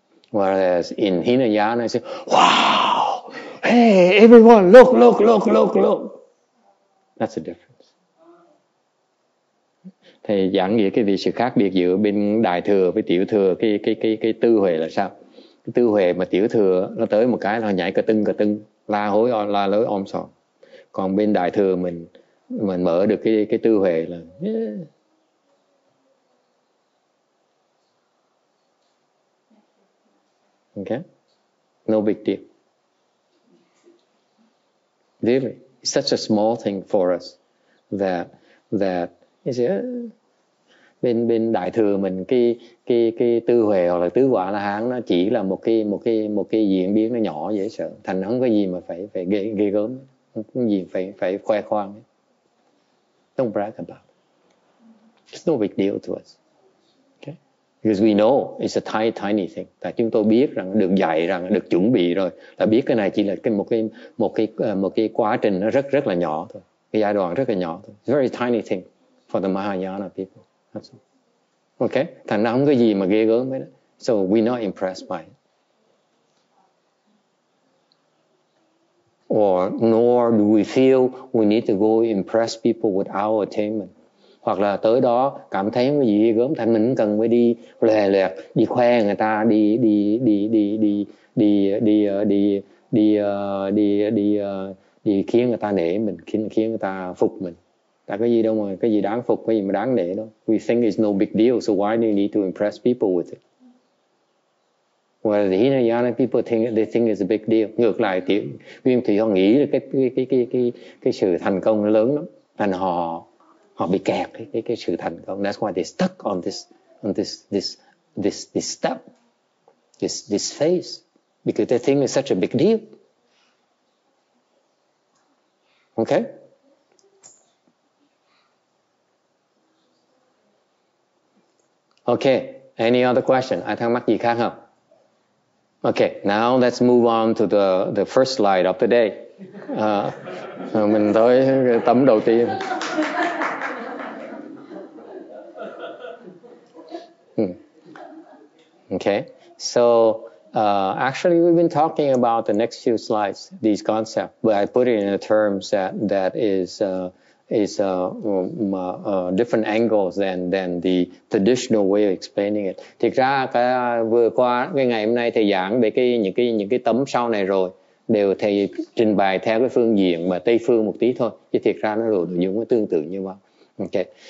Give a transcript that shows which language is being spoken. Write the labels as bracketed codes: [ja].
[en] Whereas in Hinayana, you say, wow, hey, everyone, look. That's the difference. [vi] Thầy giảng nghĩa cái sự khác biệt giữa bên đại thừa với tiểu thừa, cái tư huệ là sao? Cái tư huệ mà tiểu thừa nó tới một cái là nhảy cà tưng la hối la lối om sòm. Còn bên đại thừa mình mở được cái tư huệ là okay, [en] no big deal, really. It's such a small thing for us that you see, [vi] bên bên đại thừa mình cái tư huệ hoặc là tứ quả la hán nó chỉ là một cái diễn biến nó nhỏ dễ sợ, thành không có gì mà phải ghê gớm, không có gì phải khoe khoang. [en] Don't brag about it. It's no big deal to us. Because we know it's a tiny, tiny thing. [vi] Tại chúng tôi biết rằng được dạy rằng được chuẩn bị rồi, là biết cái này chỉ là một cái quá trình nó rất rất là nhỏ thôi, cái giai đoạn rất là nhỏ thôi. [en] It's a very tiny thing for the Mahayana people. That's all. Okay? [vi] Thành ra không có gì mà ghê gớm hết. [en] So we're not impressed by it. Or nor do we feel we need to go impress people with our attainment. [vi] Hoặc là tới đó cảm thấy cái gì gớm thành mình cần phải đi lè lẹt đi khoe người ta đi khiến người ta nể mình, khiến người ta phục mình. Tại cái gì đâu mà cái gì đáng phục, cái gì mà đáng nể đâu. [en] We think it's no big deal, so why do you need to impress people with it? Well, the Hinayana people think they think it's a big deal. [vi] Ngược lại thì Nguyên Thủy họ nghĩ là cái sự thành công nó lớn lắm, thành họ bị kẹt cái sự thành công. [en] That's why they stuck on this step, this phase, because they think it's such a big deal. Okay. Okay. Any other question? [vi] Ai thắc mắc gì khác không? [en] Okay. Now let's move on to the first slide of the day. [vi] Mình tới tấm đầu tiên. [en] Okay, so actually we've been talking about the next few slides, these concepts, but I put it in the terms that is different angles than the traditional way of explaining it. [vi] Thực ra vừa qua cái ngày hôm nay thầy giảng về những cái tấm sau này rồi đều thầy trình bày theo cái phương diện mà Tây phương một tí thôi, chứ thực ra nó đồ nội dung nó tương tự như vậy. Okay.